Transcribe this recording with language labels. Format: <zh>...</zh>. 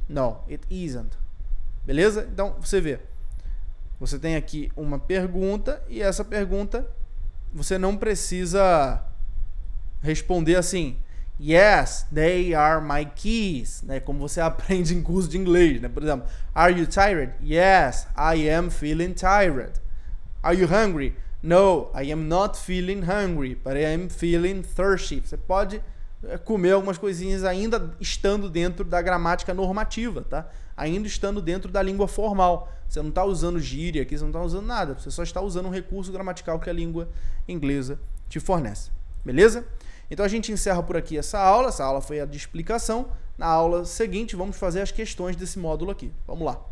<en>No, it isn't.</en> <pt>Beleza? Então, você vê. Você tem aqui uma pergunta e essa pergunta você não precisa responder assim.</pt> <en>Yes, they are my keys.</en> <pt>Né? Como você aprende em curso de inglês. Né? Por exemplo,</pt> <en>are you tired? Yes, I am feeling tired. Are you hungry? No, I am not feeling hungry, but I am feeling thirsty.</en> <pt>Você pode comer algumas coisinhas ainda estando dentro da gramática normativa, tá? Ainda estando dentro da língua formal. Você não está usando gíria aqui, você não está usando nada. Você só está usando um recurso gramatical que a língua inglesa te fornece. Beleza? Então a gente encerra por aqui essa aula. Essa aula foi a de explicação. Na aula seguinte, vamos fazer as questões desse módulo aqui. Vamos lá.</pt>